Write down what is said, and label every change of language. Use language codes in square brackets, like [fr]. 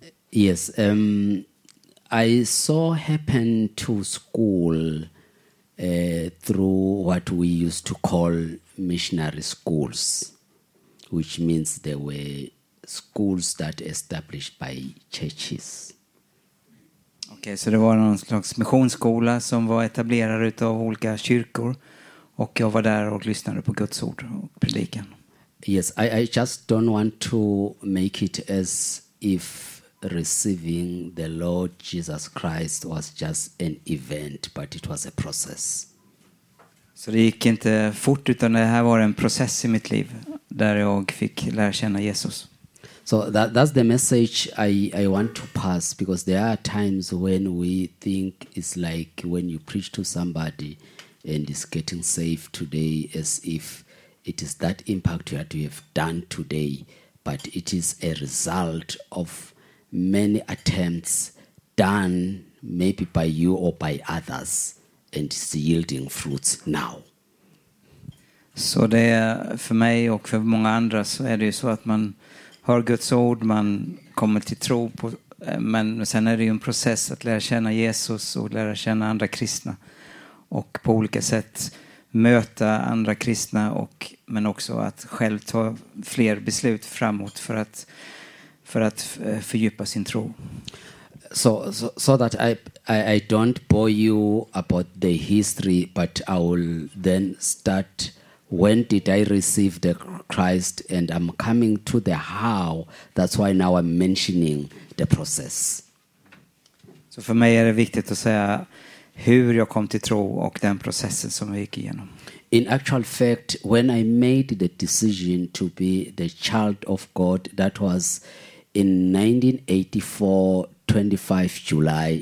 [en] Yes, I saw happen to school through what we used to call missionary schools, which means there were schools that established by churches. [sv] Okay, så det var någon slags missionsskola som var etablerad utav olika kyrkor, och jag var där och lyssnade på Guds ord och predikan. [en] Yes, I just don't want to make it as if receiving the Lord Jesus Christ was just an event, but it was a process. [sv] Så det gick inte fort, utan det här var en process i mitt liv där jag fick lära känna Jesus. [en] So that's the message I want to pass, because there are times when we think it's like when you preach to somebody and is getting saved today, as if it is that impact you have done today, but it is a result of many attempts done maybe by you or by others and is yielding fruits now. [sv] Så det är för mig och för många andra, så är det ju så att man hör Guds ord, man kommer till tro på, men sen är det ju en process att lära känna Jesus och lära känna andra kristna och på olika sätt möta andra kristna, och men också att själv ta fler beslut framåt för att fördjupa sin tro. [en] So that I don't bore you about the history, but I will then start: when did I receive the Christ? And I'm coming to the how. That's why now I'm mentioning the process. [sv] Så för mig är det viktigt att säga hur jag kom till tro och den processen som jag gick igenom. [en] In actual fact, when I made the decision to be the child of God, that was in 1984, 25 July.